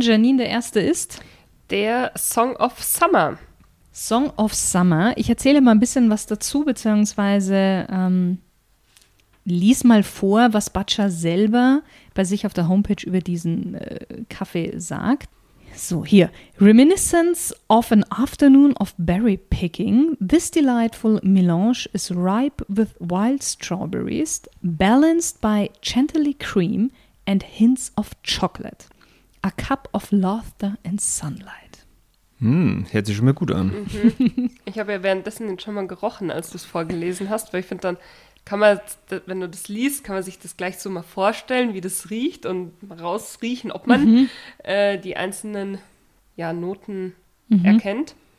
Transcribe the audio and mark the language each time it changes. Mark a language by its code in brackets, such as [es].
[de] Janine, der erste ist? Der Song of Summer. Song of Summer. Ich erzähle mal ein bisschen was dazu, beziehungsweise lies mal vor, was Baccha selber bei sich auf der Homepage über diesen Kaffee sagt. So, hier. [en] Reminiscence of an afternoon of berry picking. This delightful melange is ripe with wild strawberries, balanced by gently cream and hints of chocolate. A cup of laughter and sunlight. [de] Hm, hört sich schon mal gut an. Mhm. Ich habe ja währenddessen den schon mal gerochen, als du es vorgelesen hast, weil ich finde dann, kann man, wenn du das liest, kann man sich das gleich so mal vorstellen, wie das riecht und rausriechen, ob man die einzelnen Noten erkennt.